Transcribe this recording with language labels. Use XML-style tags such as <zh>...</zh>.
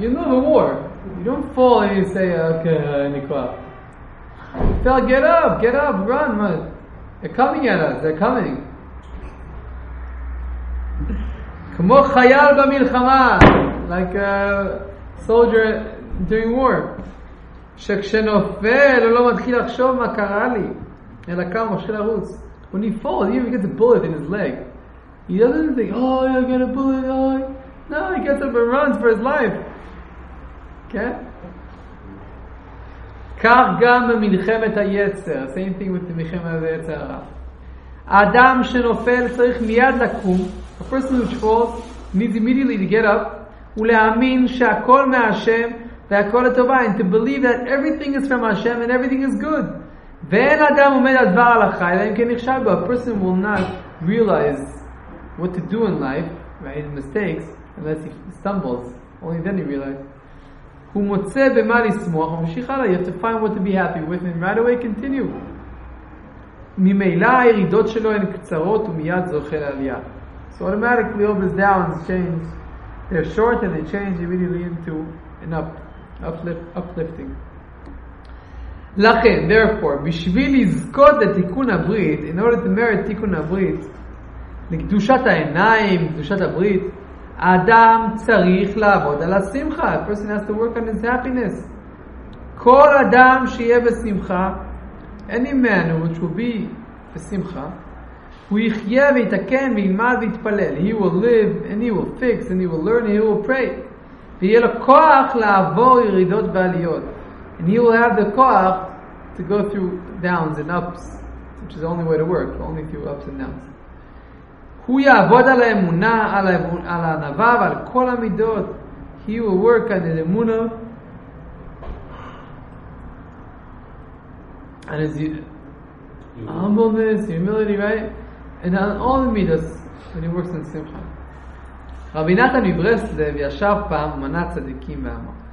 <en>You know the war. You don't fall and you say, okay,</en> <he>אני כבר.</he> <en>You fell, get up. Get up, run. What? They're coming at us. They're coming.</en> <he>כמו חייל במלחמה.</he> <en>Like a soldier during war.</en> <he>שכשנופל, הוא לא מתחיל לחשוב מה קרה לי. אלא כמה, משה לרוץ.</he> <en>When he falls, he even gets a bullet in his leg. He doesn't think, oh, I got a bullet. Oh. No, he gets up and runs for his life.</en> <he>כן? כך גם במלחמת היצר.</he> <en>Same thing with</en> <he>מלחמת היצר. אדם שנופל צריך מיד לקום.</he> <en>A person who falls needs immediately to get up</en> <he>ולהאמין שהכל מהשם והכל לטובה,</he> <en>and to believe that everything is from Hashem and everything is good.</en> <he>ואין אדם עומד על דבר הלכה אלא אם כן נכשל בו.</he> <en>A person will not realize what to do in life, right, his mistakes, unless he stumbles. Only then he realizes.</en> <he>הוא מוצא במה לשמוח ומשיך הלאה.</he> <en>You have to find what to be happy with and right away continue.</en> <he>ממילא הירידות שלו הן קצרות ומיד זוכה לעלייה.</he> <en>So automatically all his downs change. They're short and they change immediately into an up. Uplifting.</en> <he>לכן,</he> <en>therefore,</en> <he>בשביל לזכות לתיקון הברית,</he> <en>in order to merit</en> <he>תיקון הברית, לקדושת העיניים, קדושת הברית, האדם צריך לעבוד על השמחה.</he> <en>A person has to work on his happiness.</en> <he>כל אדם שיהיה בשמחה,</he> <en>any man which will be</en> <he>בשמחה, הוא יחיה ויתקן וילמד ויתפלל.</he> <en>He will live and he will fix and he will learn and he will pray.</en> <he>ויהיה לו כוח לעבור ירידות ועליות.</he> <en>And he will have the כוח to go through downs and ups, which is the only way to work, only through ups and downs.</en> <he>הוא יעבוד על האמונה, על הענווה ועל כל המידות.</he> <en>He will work on his אמונה. And as you... humbleness, humility, right? And on all the midas, when he works on simcha.</en> <he>רבי נתן מברסלב ישב פעם מנה צדיקים ואמר.</he>